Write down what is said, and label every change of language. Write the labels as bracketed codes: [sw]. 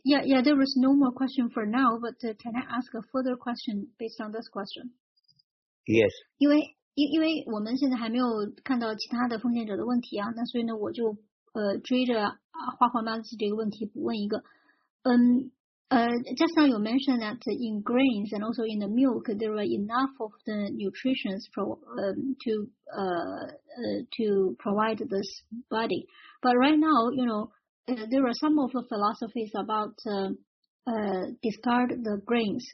[en] Yeah, there was no more question for now but can I ask a further question based on this question? Yes [zh] 因为我们现在还没有看到其他的奉献者的问题啊，那所以呢，我就追着花环妈子这个问题问一个。 [en] Just now you mentioned that in grains and also in the milk there are enough of the nutrients to provide this body. But right now, you know, there are some of the philosophies about discard the grains.